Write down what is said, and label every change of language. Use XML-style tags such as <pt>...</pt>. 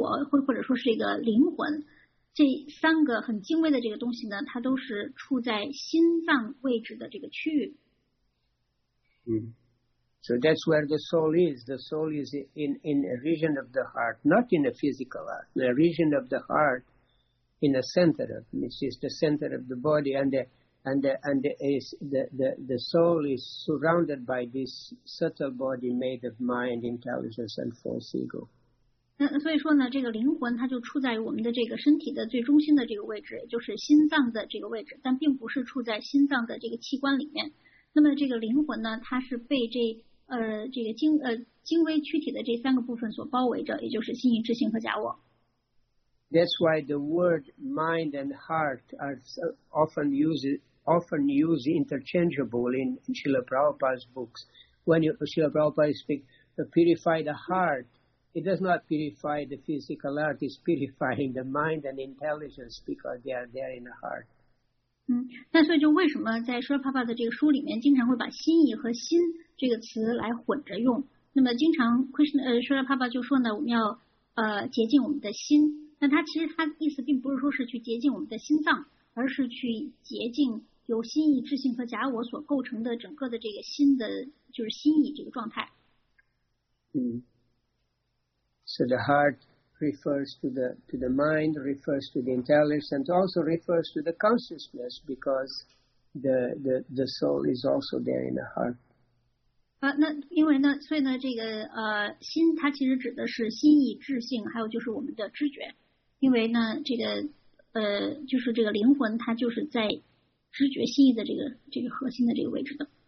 <zh>那么这个大脑就好像是我们的这个机械的这个硬件一样，但是呢，它的这个软件就是构成这个大脑的这个心意智性假我，或者说是这个灵魂。这三个很精微的这个东西呢，它都是处在心脏位置的这个区域。</zh> <en>So that's where the soul is. The soul is in a region of the heart, not in a physical heart. The region of the heart, in the center of, which is the center of the body, and the soul is surrounded by this subtle body made of mind, intelligence, and false ego.</en> <zh>所以说呢，这个灵魂它就处在我们的这个身体的最中心的这个位置，也就是心脏的这个位置，但并不是处在心脏的这个器官里面。那么这个灵魂呢，它是被这个精微躯体的这三个部分所包围着，也就是心意、知性和假我。</zh> <en>That's why the word mind and heart are often used interchangeable in Srila Prabhupada's books. When Srila Prabhupada speaks, purify the heart, it does not purify the physical heart, it's purifying the mind and intelligence because they are there in the heart.</en> <zh>那所以就为什么在Srila Prabhupada的这个书里面经常会把心意和心这个词来混着用？那么经常Srila Prabhupada就说呢，我们要洁净我们的心。那他其实他的意思并不是说是去洁净我们的心脏，而是去洁净由心意、智性和假我所构成的整个的这个心的，就是心意这个状态。</zh> <en>So the heart refers to the mind, refers to the intelligence, also refers to the consciousness because the soul is also there in the heart.</en> <zh>那因为呢，所以呢，这个心它其实指的是心意、智性，还有就是我们的知觉。因为呢，这个就是这个灵魂，它就是在知觉、心意的这个核心的这个位置的。</zh>